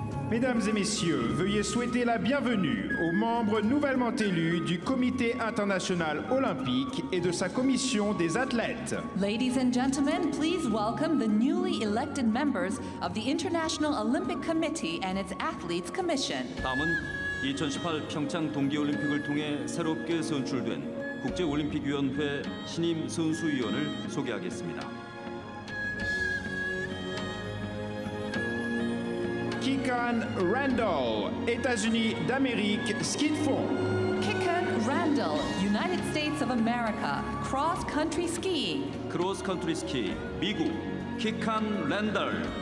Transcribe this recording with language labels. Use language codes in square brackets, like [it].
[fr] Mesdames et messieurs, veuillez souhaiter la bienvenue aux membres nouvellement élus du Comité international olympique et de sa commission des athlètes. [en] Ladies and gentlemen, please welcome the newly elected members of the International Olympic Committee and its athletes commission. [ko] 다음은 2018 평창 동계올림픽을 통해 새롭게 선출된 국제올림픽위원회 신임 선수위원을 소개하겠습니다. [fr] Kikan Randall, États-Unis d'Amérique, ski de fond. [en] Kikan Randall, United States of America, cross-country skiing. [ko] Cross-country ski, 미국, Kikan Randall.